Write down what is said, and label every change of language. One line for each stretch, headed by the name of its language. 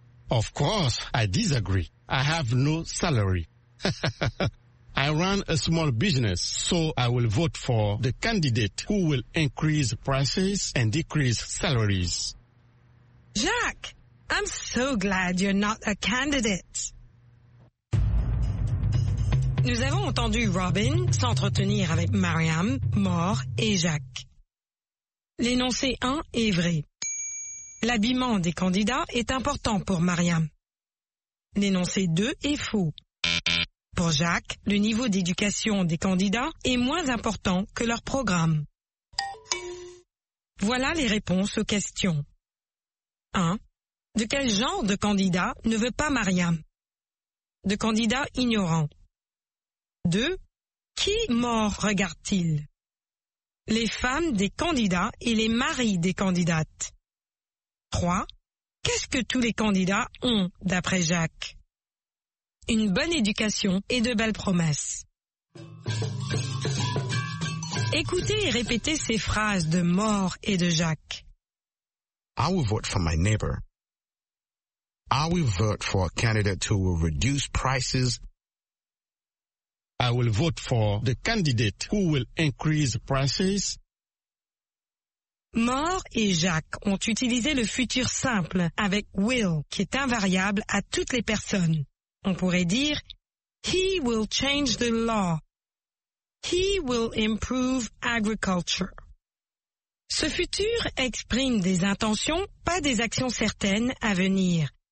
English: Of course, I disagree. I have no salary. I run a small business, so I will vote for the candidate who will increase prices and decrease salaries. Jacques, I'm so glad you're not a candidate.
French: Nous avons entendu Robin s'entretenir avec Mariam, Moore et Jacques. L'énoncé 1 est vrai. L'habillement des candidats est important pour Mariam. L'énoncé 2 est faux. pour Jacques, le niveau d'éducation des candidats est moins important que leur programme. Voilà les réponses aux questions. 1. De quel genre de candidat ne veut pas Mariam? De candidat ignorant. 2. Qui mort regarde-t-il? Les femmes des candidats et les maris des candidates. 3. Qu'est-ce que tous les candidats ont, d'après Jacques? Une bonne éducation et de belles promesses. Écoutez et répétez ces phrases de Maure et de Jacques.
English: I will vote for my neighbor. I will vote for a candidate who will reduce prices. I will vote for the candidate who will increase prices.
French: Maure et Jacques ont utilisé le futur simple avec will, qui est invariable à toutes les personnes. On pourrait dire,
English: he will change the law. He will improve agriculture.
French: Ce futur exprime des intentions, pas des actions certaines à venir.